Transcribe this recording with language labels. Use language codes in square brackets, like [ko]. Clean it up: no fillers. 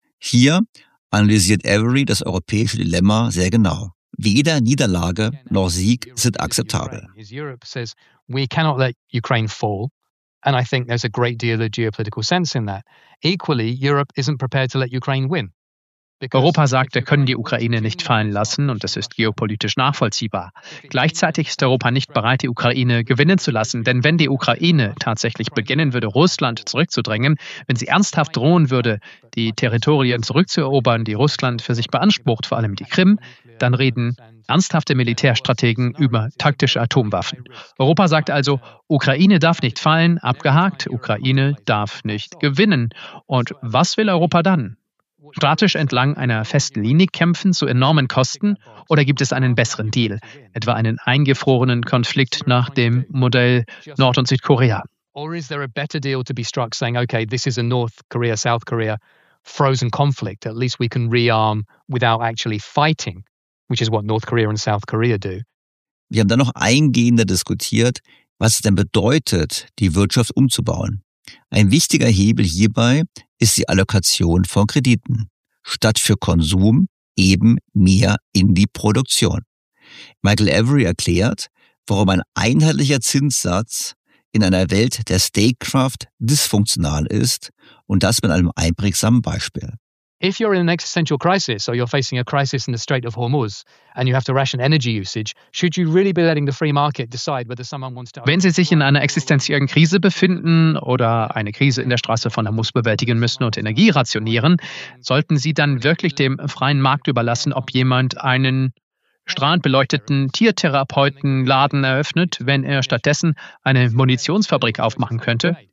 [de] Hier analysiert Avery das europäische Dilemma sehr genau. Weder Niederlage noch Sieg sind akzeptabel. [en] Europe says we cannot let Ukraine fall, and I think there's a great deal of geopolitical sense in that. Equally, Europe isn't prepared to let Ukraine win. [de] Europa sagt, wir können die Ukraine nicht fallen lassen, und das ist geopolitisch nachvollziehbar. Gleichzeitig ist Europa nicht bereit, die Ukraine gewinnen zu lassen, denn wenn die Ukraine tatsächlich beginnen würde, Russland zurückzudrängen, wenn sie ernsthaft drohen würde, die Territorien zurückzuerobern, die Russland für sich beansprucht, vor allem die Krim, dann reden ernsthafte Militärstrategen über taktische Atomwaffen. Europa sagt also, Ukraine darf nicht fallen, abgehakt, Ukraine darf nicht gewinnen. Und was will Europa dann? Strategisch entlang einer festen Linie kämpfen zu enormen Kosten? Oder gibt es einen besseren Deal, etwa einen eingefrorenen Konflikt nach dem Modell Nord- und Südkorea? [en] Or is there a better deal to be struck, saying, okay, this is a North Korea, South Korea frozen conflict, at least we can rearm without actually fighting, which is what North Korea and South Korea do? [de] Wir haben dann noch eingehender diskutiert, was es denn bedeutet, die Wirtschaft umzubauen. Ein wichtiger Hebel hierbei ist die Allokation von Krediten. Statt für Konsum eben mehr in die Produktion. Michael Avery erklärt, warum ein einheitlicher Zinssatz in einer Welt der Statecraft dysfunktional ist, und das mit einem einprägsamen Beispiel. [en] If you're in an existential crisis or you're facing a crisis in the Strait of Hormuz and you have to ration energy usage, should you really be letting the free market decide whether someone wants to... [de] Wenn Sie sich in einer existenziellen Krise befinden oder eine Krise in der Straße von Hormuz bewältigen müssen und Energie rationieren, sollten Sie dann wirklich dem freien Markt überlassen, ob jemand einen strahlend beleuchteten Tiertherapeutenladen eröffnet, wenn er stattdessen eine Munitionsfabrik aufmachen könnte?